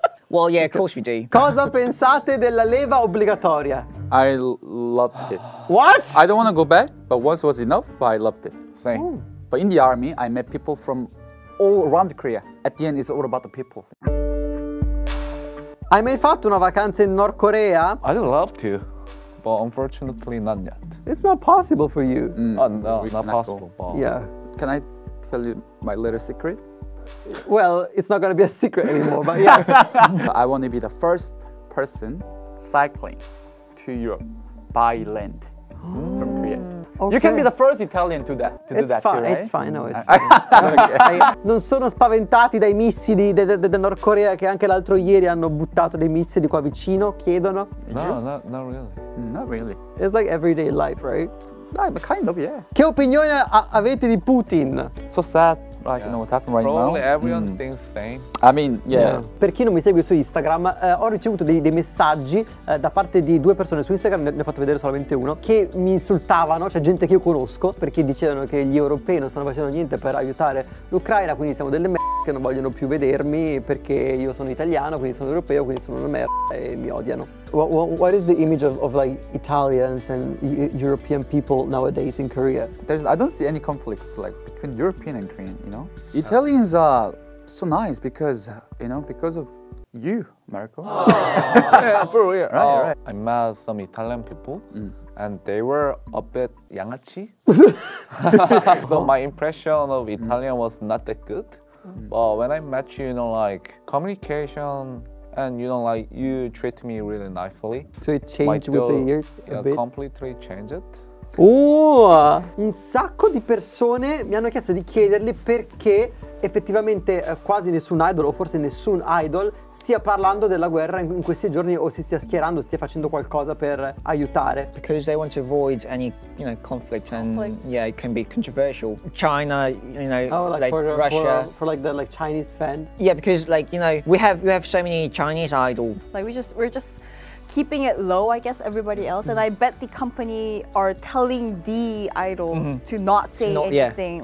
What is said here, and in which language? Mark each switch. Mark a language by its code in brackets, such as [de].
[en] Well, yeah, of course we do. [it] Cosa pensate della leva obbligatoria? [en] I loved it. What? I don't want to go back, but once was enough, but I loved it. Same. Ooh. But in the army, I met people from all around Korea. At the end, it's all about the people. [it] Hai mai fatto una vacanza in North Korea? [en] I'd love to, but unfortunately, not yet. It's not possible for you. No, not possible. Yeah. Can I tell you my little secret? Well, it's not going to be a secret anymore, but yeah. I want to be the first person cycling to to Europe by land from Korea. Okay. You can be the first Italian to that. Too, right? It's fine, no, it's fine. [it] Non sono spaventati dai missili del Nord Corea che anche l'altro ieri hanno buttato dei missili qua vicino, chiedono. [en] No, not really. It's like everyday life, right? No, kind of, yeah. [it] Che opinione avete di Putin? [en] So sad. Like, you know what happened right probably now? Probably everyone thinks same. I mean, yeah. [it] Per chi non mi segue su Instagram, ho ricevuto dei messaggi da parte di due persone su Instagram, ne ho fatto vedere solamente uno, che mi insultavano, cioè gente che io conosco, perché dicevano che gli europei non stanno facendo niente per aiutare l'Ucraina, quindi siamo delle merda che non vogliono più vedermi perché io sono italiano, quindi sono europeo, quindi sono una merda e mi odiano. [en] What is the image of like Italians and European people nowadays in Korea? I don't see any conflict like between European and Korean. You know, Italians are so nice because you know because of you, Marco. Yeah, for real. Right, right. I met some Italian people, and they were a bit yangachi. So my impression of Italian was not that good. But when I met you, you know, like communication. And you know, like you treat me really nicely. So it changed with the years a bit. Completely changed. [it] Oh, un sacco di persone mi hanno chiesto di chiedergli perché effettivamente quasi nessun idol o forse nessun idol stia parlando della guerra in questi giorni o si stia schierando, stia facendo qualcosa per aiutare. [en] Because they want to avoid any, you know, conflict and yeah, it can be controversial. China, you know, for the Chinese fan. Yeah, because like, you know, we have so many Chinese idol. Like we're just keeping it low, I guess, everybody else. And I bet the company are telling the idols to not say anything. Yeah.